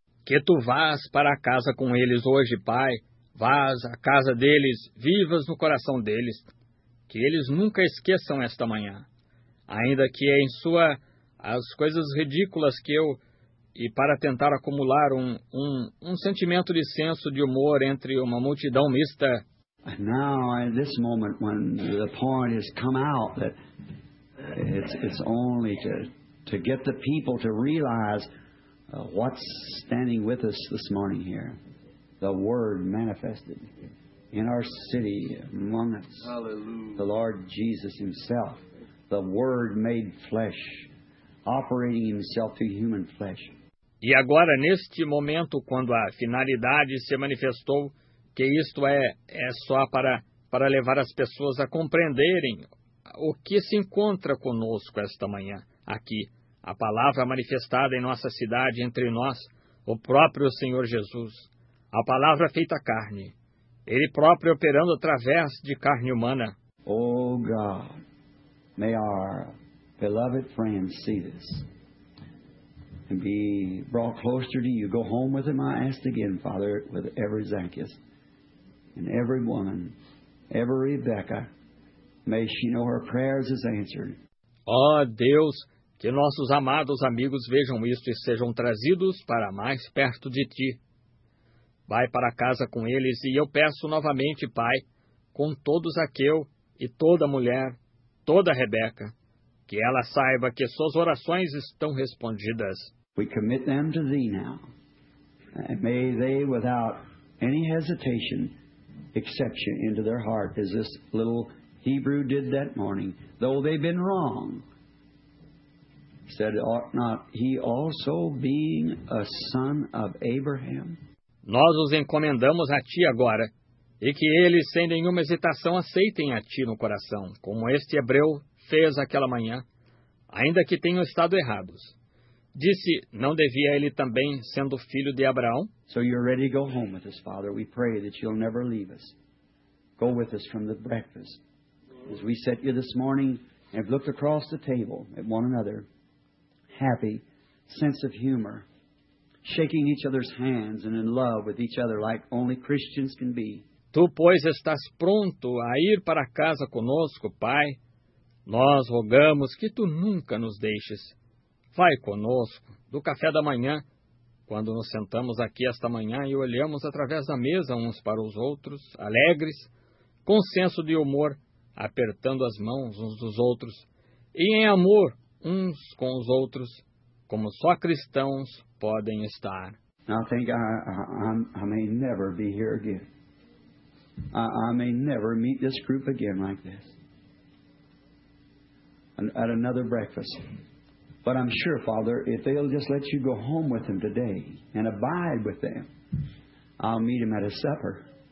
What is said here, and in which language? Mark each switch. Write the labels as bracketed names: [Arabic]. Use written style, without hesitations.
[Portuguese] Que tu vás para a casa com eles hoje, Pai. Vás à casa deles, vivas no coração deles, que eles nunca esqueçam esta manhã, ainda que em sua as coisas ridículas que eu, e para tentar acumular um sentimento de senso de humor entre uma multidão mista. [English] Now, at this moment, when the point has come out that it's only to get the people to realize what's standing with us this morning here. The Word manifested in our city among us. Hallelujah. The Lord Jesus Himself, the Word made flesh, operating Himself through human flesh. [Portuguese] E agora, neste momento, quando a finalidade se manifestou, que isto é só para levar as pessoas a compreenderem o que se encontra conosco esta manhã, aqui, a palavra manifestada em nossa cidade, entre nós, o próprio Senhor Jesus. A palavra feita carne, Ele próprio operando através de carne humana. [English] Oh God, may our beloved friends see this and be brought closer to you. Go home with them, I ask again, Father, with every Zacchaeus and every woman, every Rebecca, May she know her prayers is answered. [Portuguese] Oh, Deus, que nossos amados amigos vejam isto e sejam trazidos para mais perto de Ti. Vai para casa com eles e eu peço novamente, Pai, com todo Zaqueu e toda mulher, toda Rebeca, que ela saiba que suas orações estão respondidas. [English] We commit them to Thee now, and may they, without any hesitation, accept You into their heart, as this little Hebrew did that morning, though they've been wrong. Said, ought not he also being a son of Abraham? [Portuguese] Nós os encomendamos a Ti agora, e que eles, sem nenhuma hesitação, aceitem a Ti no coração, como este hebreu fez aquela manhã, ainda que tenham estado errados. Disse, não devia ele também, sendo filho de Abraão? [English] So you're ready to go home with us, Father. We pray that you'll never leave us. Go with us from the breakfast. As we sat here this morning and have looked across the table at one another, happy, sense of humor, shaking each other's hands and in love with each other like only Christians can be. [Portuguese] Tu, pois, estás pronto a ir para casa conosco, Pai. Nós rogamos que Tu nunca nos deixes. Vai conosco, do café da manhã, quando nos sentamos aqui esta manhã e olhamos através da mesa uns para os outros, alegres, com senso de humor, apertando as mãos uns dos outros, e em amor uns com os outros, como só cristãos podem estar. [English] Now think I may never be here again. I may never meet this group again like this. At another breakfast. But I'm sure, Father, if they'll just let you go home with them today and abide with them, I'll meet them at a supper.